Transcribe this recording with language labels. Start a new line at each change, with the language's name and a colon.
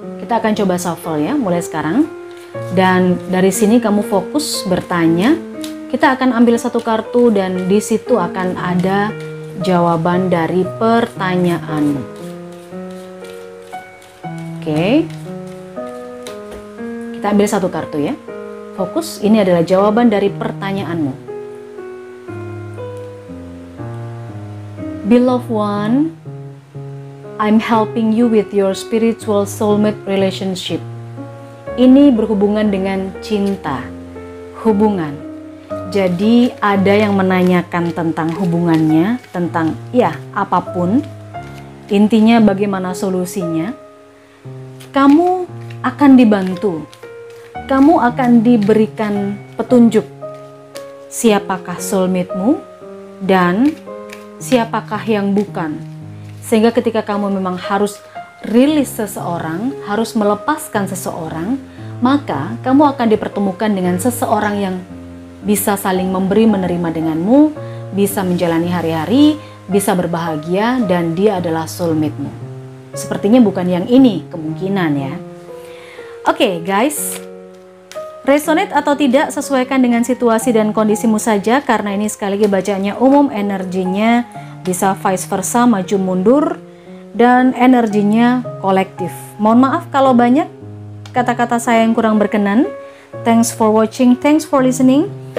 Indonesian: Kita akan coba shuffle ya, mulai sekarang. Dan dari sini kamu fokus bertanya, kita akan ambil satu kartu dan di situ akan ada jawaban dari pertanyaanmu. Oke. Kita ambil satu kartu ya. Fokus, ini adalah jawaban dari pertanyaanmu.
English: Beloved one, I'm helping you with your spiritual soulmate relationship.
Indonesian: Ini berhubungan dengan cinta, hubungan. Jadi ada yang menanyakan tentang hubungannya, tentang ya apapun, intinya bagaimana solusinya. Kamu akan dibantu, kamu akan diberikan petunjuk siapakah soulmate-mu dan siapakah yang bukan. Sehingga ketika kamu memang harus rilis seseorang, harus melepaskan seseorang, maka kamu akan dipertemukan dengan seseorang yang bisa saling memberi menerima denganmu, bisa menjalani hari-hari, bisa berbahagia, dan dia adalah soulmate-mu. Sepertinya bukan yang ini kemungkinan ya. Oke, guys, resonate atau tidak sesuaikan dengan situasi dan kondisimu saja, karena ini sekali lagi bacanya umum, energinya bisa vice versa, maju mundur, dan energinya kolektif. Mohon maaf kalau banyak kata-kata saya yang kurang berkenan.
English: Thanks for watching, thanks for listening.